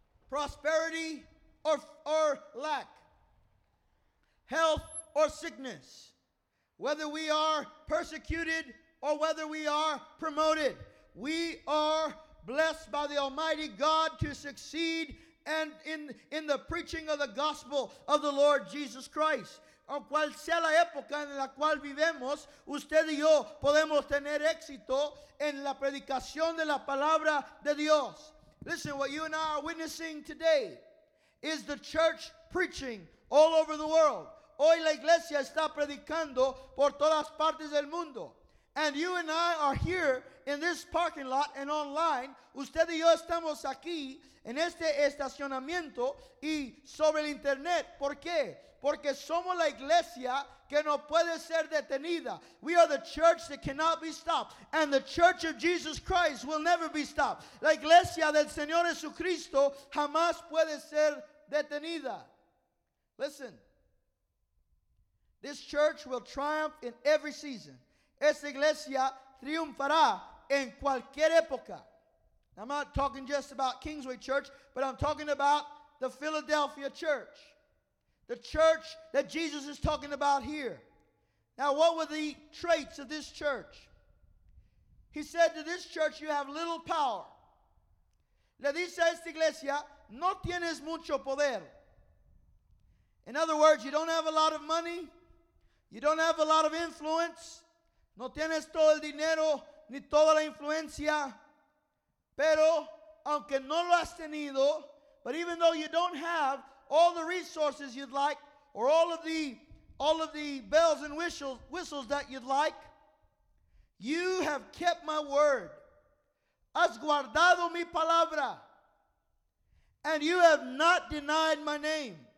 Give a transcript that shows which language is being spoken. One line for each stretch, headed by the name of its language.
English: Prosperity or lack. Health or sickness. Whether we are persecuted or whether we are promoted. We are blessed by the Almighty God to succeed and in the preaching of the gospel of the Lord Jesus Christ.
Spanish: O cual sea la época en la cual vivemos, usted y yo podemos tener éxito en la predicación de la palabra de Dios.
English: Listen, what you and I are witnessing today is the church preaching all over the world.
Spanish: Hoy la iglesia está predicando por todas partes del mundo.
English: And you and I are here in this parking lot and online.
Spanish: Usted y yo estamos aquí en este estacionamiento y sobre el internet. ¿Por qué? Porque somos la iglesia que no puede ser detenida.
English: We are the church that cannot be stopped. And the church of Jesus Christ will never be stopped.
Spanish: La iglesia del Señor Jesucristo jamás puede ser detenida.
English: Listen. This church will triumph in every season.
Spanish: Esta iglesia triunfará en cualquier época.
English: I'm not talking just about Kingsway Church, but I'm talking about the Philadelphia Church. The church that Jesus is talking about here. Now, what were the traits of this church? He said to this church, you have little power.
Spanish: Le dice a esta iglesia, no tienes mucho poder.
English: In other words, you don't have a lot of money. You don't have a lot of influence.
Spanish: No tienes todo el dinero ni toda la influencia. Pero, aunque no lo has tenido,
English: but even though you don't have all the resources you'd like, or all of the bells and whistles that you'd like, you have kept my word.
Spanish: Has guardado mi palabra.
English: And you have not denied my name.